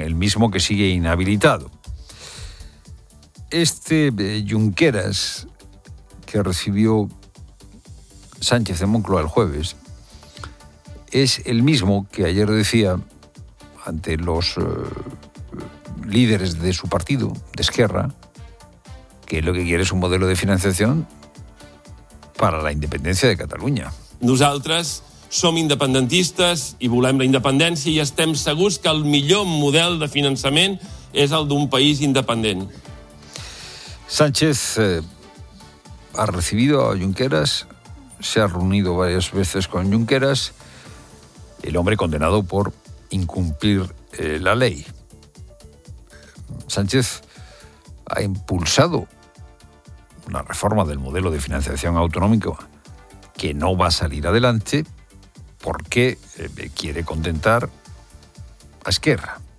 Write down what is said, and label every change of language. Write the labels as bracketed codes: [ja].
[es] El mismo que sigue inhabilitado. Este Junqueras, que recibió Sánchez en Moncloa el jueves, es el mismo que ayer decía, ante los líderes de su partido, de Esquerra, que lo que quiere es un modelo de financiación para la independència de Catalunya. [ca] Nosaltres som independentistes i volem la independència i estem segurs que el millor model de finançament és el d'un país independent. [es] Sánchez ha recibido a Junqueras, se ha reunido varias veces con Junqueras, el hombre condenado por incumplir la ley. Sánchez ha impulsado una reforma del modelo de financiación autonómico que no va a salir adelante porque quiere contentar a Esquerra.